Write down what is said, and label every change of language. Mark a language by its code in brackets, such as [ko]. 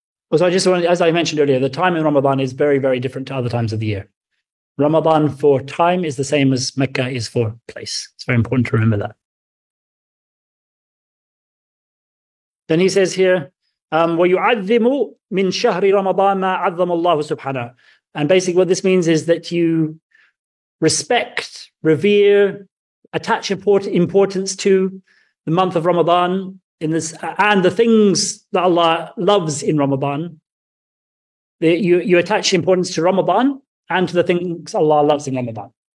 [en] Also, as I mentioned earlier, the time in Ramadan is very, very different to other times of the year. Ramadan for time is the same as Mecca is for place. It's very important to remember that. Then he says here, [ar] وَيُعَذِّمُ مِنْ شَهْرِ رَمَضَانَ مَا عَذَّمَ اللَّهُ سُبْحَانَهُ. [en] And basically what this means is that you respect, revere, attach importance to the month of Ramadan in this, and the things that Allah loves in Ramadan, that you attach importance to Ramadan and to the things Allah loves in Ramadan.